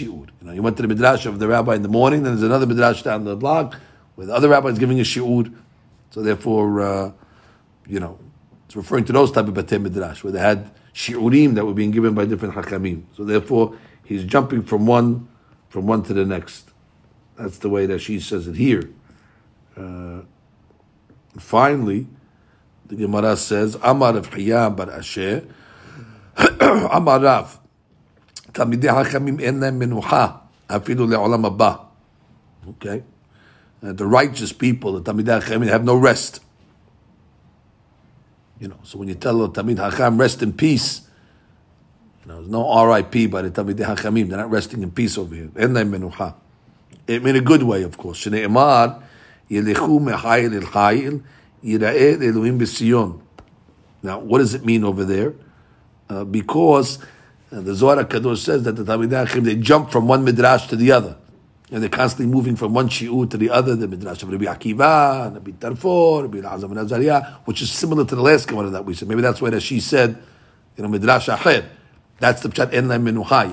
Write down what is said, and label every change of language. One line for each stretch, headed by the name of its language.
English: You know, you went to the midrash of the rabbi in the morning, then there's another midrash down the block where the other rabbi is giving a shi'ud. So therefore, you know, it's referring to those type of batei midrash where they had shi'urim that were being given by different hakamim. So therefore, he's jumping from one to the next. That's the way that she says it here. Finally, the Gemara says,
Hebrew: Amar Rav Chiya bar Asher, Amar Rav, תלמידי החכמים אין להם מנוחה אפילו לעולם הבא.
English: Okay. The righteous people, the תלמידי החכמים, have no rest. You know, so when you tell the תלמיד החכם, rest in peace, you know, there's no RIP by the תלמידי החכמים, they're not resting in peace over here.
Hebrew: אין להם מנוחה.
English: In a good way, of course.
Hebrew: שנאמר, ילכו מחיל אל חיל, יראה אלוהים בציון.
English: Now, what does it mean over there? Because and the Zohar HaKadosh says that the Talmidei HaChachamim, they jump from one midrash to the other. And they're constantly moving from one shi'ut to the other, the midrash of Rabbi Akiva, Rabbi Tarfor, Rabbi Elazar ben Azariah, which is similar to the last Gemara that we said. Maybe that's why the Rashi said, you know, midrash acher. That's the pshat en lam menuha.